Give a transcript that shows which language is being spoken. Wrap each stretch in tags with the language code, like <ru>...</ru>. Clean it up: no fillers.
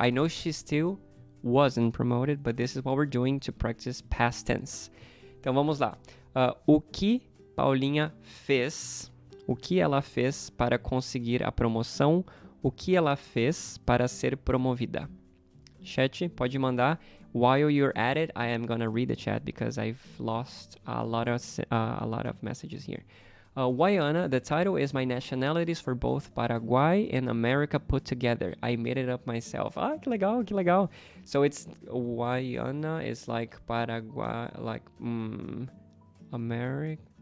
<en>I know she still wasn't promoted, but this is what we're doing to practice past tense.</en> <pt>Então vamos lá. O que Paulinha fez? O que ela fez para conseguir a promoção? O que ela fez para ser promovida? Chat, pode mandar.</pt> <en>While you're at it, I am going to read the chat because I've lost a lot of messages here. Wayana, the title is my nationalities for both Paraguay and America put together. I made it up myself.</en> <pt>Ah, que legal, que legal.</pt> <en>So it's Wayana is like Paraguay, like America.</en>